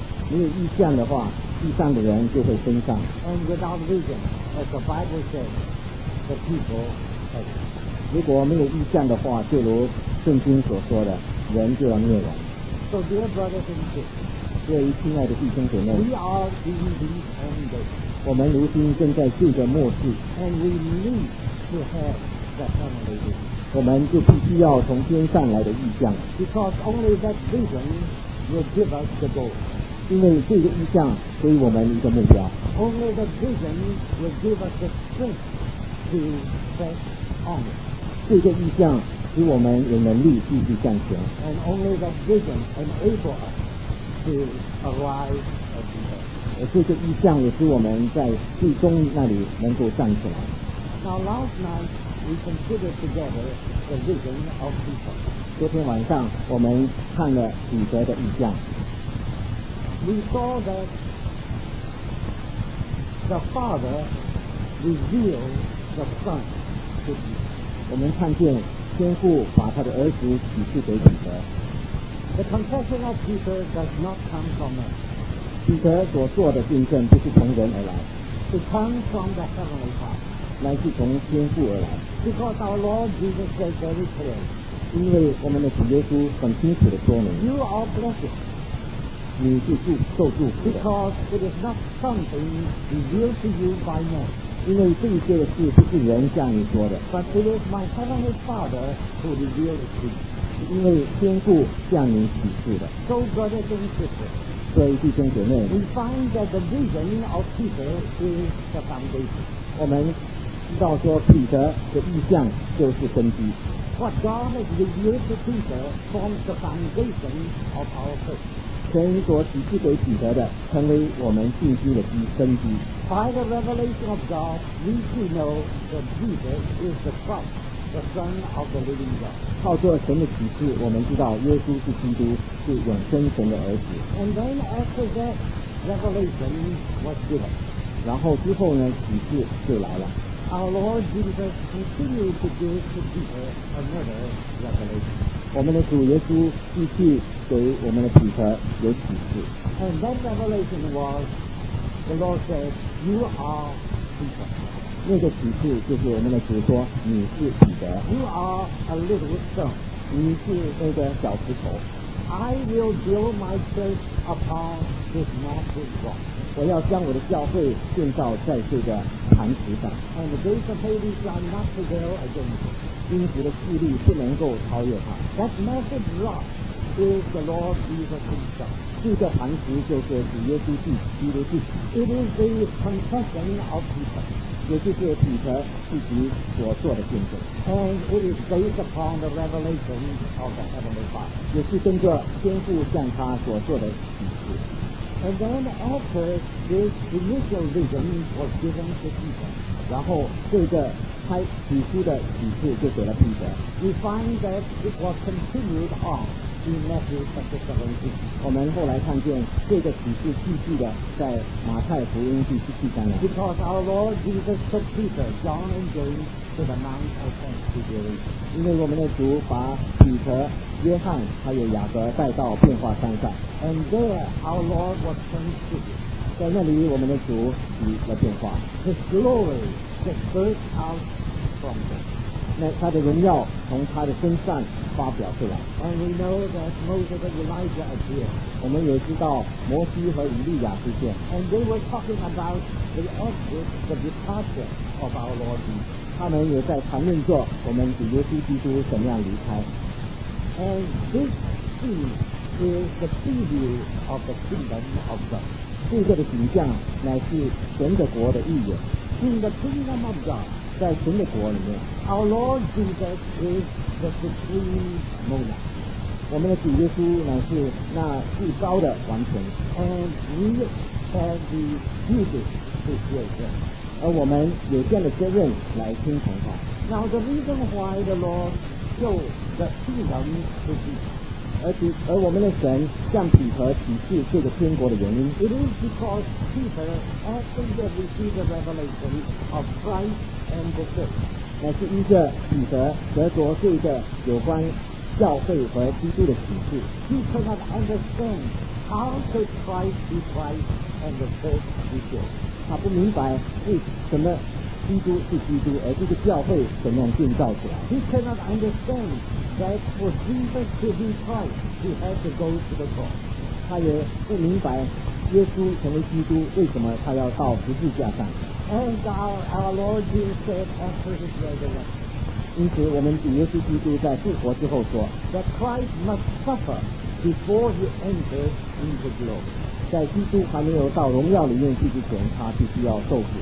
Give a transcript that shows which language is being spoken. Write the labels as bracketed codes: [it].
[zh] 没有意向的话，地上的人就会分散。 [en] And without vision, as the Bible says, the people scatter. [zh] 如果没有意向的话，就如圣经所说的，人就要灭亡。 [en] So dear brothers and sisters, [zh] 各位亲爱的弟兄姐妹 [en] ，We are in these end days. [zh] 我们如今正在这个末世 [en] And we need to have the heavenly vision. [zh] 我们就必须要从天上来的意象 [en] Because only that vision will give us the goal. [zh] 因为这个意象给我们一个目标 [en] Only that vision will give us the strength to press on. [zh] 这个意象使我们有能力继续向前 [en] And only that vision enables us to arrive at the end. [zh] 这个意象也是我们在最终那里能够站起来。 [en] Now last night we considered together the vision of Peter. [zh] 昨天晚上我们看了彼得的意象。 [en] We saw that the Father revealed the Son to Peter. [zh] 我们看见天父把他的儿子启示给彼得。 [en] The confession of Peter does not come from us. [zh] 彼得所做的见证不是从人而来 [en] It comes from the heavenly Father [zh] 乃是从天父而来 [en] Because our Lord Jesus said very clearly [zh] 因为我们的主耶稣很清楚地说明 [en] You are blessed [zh] 你是受祝福的 [en] Because it is not something revealed to you by man [zh] 因为这一些的事不是人向你说的 [en] But it is my heavenly Father who revealed it to you [zh] 因为天父向你启示的 [en] So brothers and sisters [zh] 各位弟兄姐妹 [en] We find that the vision of Peter is the foundation [zh] 我们知道说彼得的意象就是根基 [en] What God has revealed to Peter forms the foundation of our faith [zh] 神所启示给彼得的成为我们信心的根基 [en] By the revelation of God we do know that Jesus is the Christ the Son of the living God [zh] 靠着神的启示我们知道耶稣是基督是永生神的儿子 [en] And then after that revelation was given [zh] 然后之后呢启示就来了 [en] Our Lord Jesus continued to give to Peter another revelation [zh] 我们的主耶稣继续给我们的彼得有启示 [en] And that revelation was the Lord said you are Peter [zh] 那个启示就是我们的主说你是彼得 [en] You are a little stone [zh] 你是那个小石头 [en] I will build my church upon this massive rock [zh] 我要将我的教会建造在这个磐石上 [en] And the gates of Hades shall not prevail against it [zh] 阴府的势力不能够超越它 [en] That massive rock is the Lord Jesus himself [zh] 这个磐石就是主耶稣基督的自己 [en] It is the confession of Peter [zh] 也就是彼得自己所做的见证 [en] And it is based upon the revelation of the heavenly Father [zh] 也是根据天父向他所做的启示 [en] And then after this initial vision was given to Peter [zh] 然后这个开启示的启示就给了彼得 [en] We find that it was continued on in Matthew chapter 17. [zh] 我们后来看见这个启示继续的在马太福音第十七章了。 [en] Because our Lord Jesus took Peter, John, and James to the Mount of Transfiguration. [zh] 因为我们的主把彼得、约翰还有雅各带到变化山上。 [en] And there, our Lord was transfigured. [zh] 在那里，我们的主起了变化。 [en] His glory that burst out from them. [zh] 那他的荣耀从他的身上发表出来。 [en] And we know that Moses and Elijah appeared. [zh] 我们也知道摩西和以利亚出现。 [en] And they were talking about the exit, the departure of our Lord Jesus. [zh] 他们也在谈论着我们主耶稣基督怎样离开。 [en] And this scene is the preview of the kingdom of God. [zh] 这个的景象乃是神的国的预言。 [en] In the kingdom of God. [zh] 在神的国里面 [en] Our Lord Jesus is the supreme monarch. [zh] 我们的主耶稣乃是那至高的王权 [en] And we have the duty to hear him. [zh] 而我们有这样的责任来听从他 [en] Now the reason why the Lord showed the kingdom to be [zh] 而我们的神向彼得启示这个天国的原因 [en] It is because Peter actually received the revelation of ChristAnd the church. [zh] 那是依着彼得得着这个有关教会和基督的启示 [en] He could not understand how could Christ be Christ and the church be church. [zh] 他不明白为什么基督是基督而这个教会怎样建造起来 [en] He could not understand that for Jesus to be Christ, he had to go to the cross. [zh] 他也不明白耶稣成为基督为什么他要到十字架上 [en] And our Lord Jesus said after his resurrection. [zh] 因此我们主耶稣基督在复活之后说 [en] that Christ must suffer before he enters into glory. [zh] 在基督还没有到荣耀里面去之前他必须要受苦。